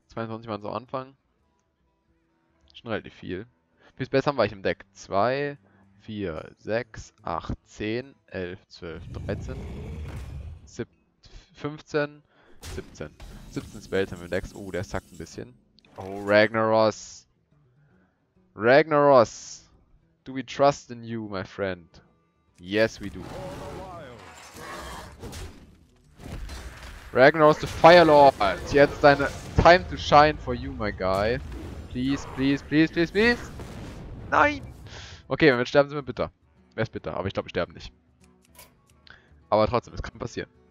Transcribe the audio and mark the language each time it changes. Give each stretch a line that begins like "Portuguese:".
German: 22 waren es am Anfang. Schon relativ viel. Wie viel Spells haben wir eigentlich im Deck? 2, 4, 6, 8, 10, 11, 12, 13, 15, 17. 17 Spells haben wir im Deck. Oh, der sackt ein bisschen. Oh, Ragnaros. Ragnaros.
English: Do we trust in you, my friend? Yes, we do. Ragnaros the Fire Lord.
German: Jetzt deine
English: Time to shine for you, my guy. Please, please, please, please, please.
German: Nein! Okay, wenn wir sterben, sind wir bitter. Wer ist bitter? Aber ich glaube, wir sterben nicht. Aber trotzdem, es kann passieren.